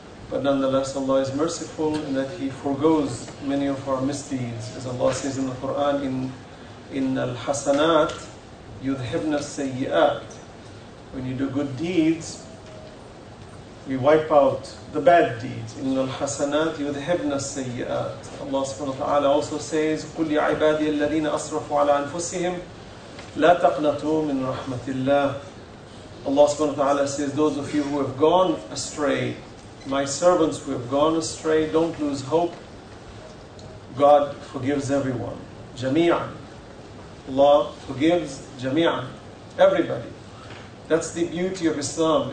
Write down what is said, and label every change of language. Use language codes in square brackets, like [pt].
[en] But nonetheless, Allah is merciful in that He forgoes many of our misdeeds, as Allah says in the Quran, in al hasanat yudhibna sayyi'at. When you do good deeds, we wipe out the bad deeds. [ar] إن الحسنات يذهبن السيئات. [en] Allah subhanahu wa ta'ala also says, [ar] قل يا عبادي الذين أسرفوا على أنفسهم لا تقنطوا من رحمة الله. [en] Allah subhanahu wa ta'ala says, those of you who have gone astray, my servants who have gone astray, don't lose hope. God forgives everyone. [ar] جميعاً. [en] Allah forgives [ar] جميعاً. [en] Everybody. That's the beauty of Islam.